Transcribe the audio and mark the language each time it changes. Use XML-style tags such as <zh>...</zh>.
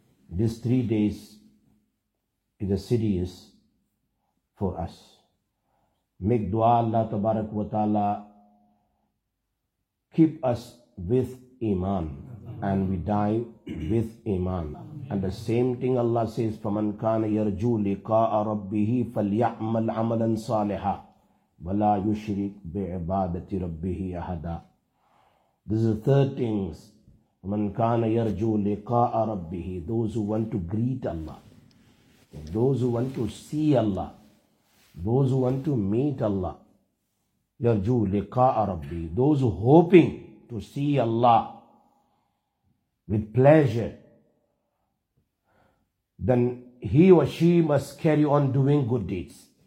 <en>These 3 days is a serious for us. Make dua Allah Tabarak wa Ta'ala keep us with iman and we die with iman. And the same thing Allah says,</en> <ar>فَمَنْ كَانَ يَرْجُو لِقَاءَ رَبِّهِ فَلْيَعْمَلْ عَمَلًا صَالِحًا وَلَا يُشْرِكْ بِعِبَادَةِ رَبِّهِ أَحَدًا.</ar> <en>This is the third thing.</en> <ar>فَمَنْ كَانَ يَرْجُو لِقَاءَ رَبِّهِ,</ar> <en>those who want to greet Allah, those who want to see Allah, those who want to meet Allah,</en> <ar>يَرْجُو لِقَاءَ رَبِّهِ,</ar> <en>those who hoping to see Allah with pleasure, then he or she must carry on doing good deeds.</en>